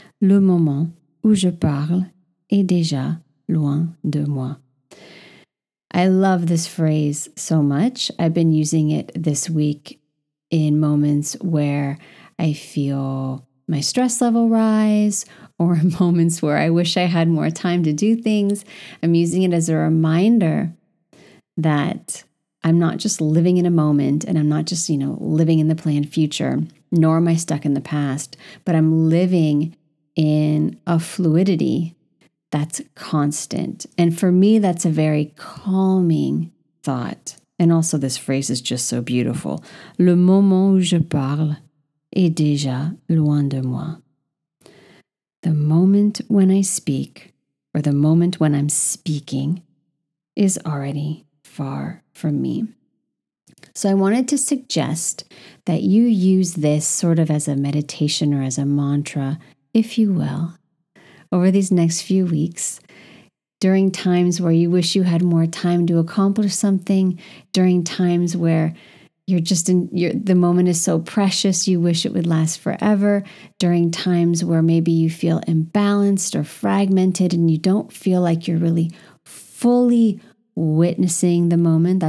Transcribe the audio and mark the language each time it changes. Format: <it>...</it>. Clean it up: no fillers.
<fr>Le moment où je parle est déjà loin de moi.</fr> <en>I love this phrase so much. I've been using it this week in moments where I feel my stress level rise or in moments where I wish I had more time to do things. I'm using it as a reminder that I'm not just living in a moment and I'm not just, you know, living in the planned future, nor am I stuck in the past, but I'm living in a fluidity that's constant. And for me, that's a very calming thought. And also this phrase is just so beautiful.</en> <fr>Le moment où je parle est déjà loin de moi.</fr> <en>The moment when I speak, or the moment when I'm speaking, is already far from me. So I wanted to suggest that you use this sort of as a meditation or as a mantra, if you will, over these next few weeks, during times where you wish you had more time to accomplish something, during times where the moment is so precious, you wish it would last forever, during times where maybe you feel imbalanced or fragmented and you don't feel like you're really fully witnessing the moment.</en>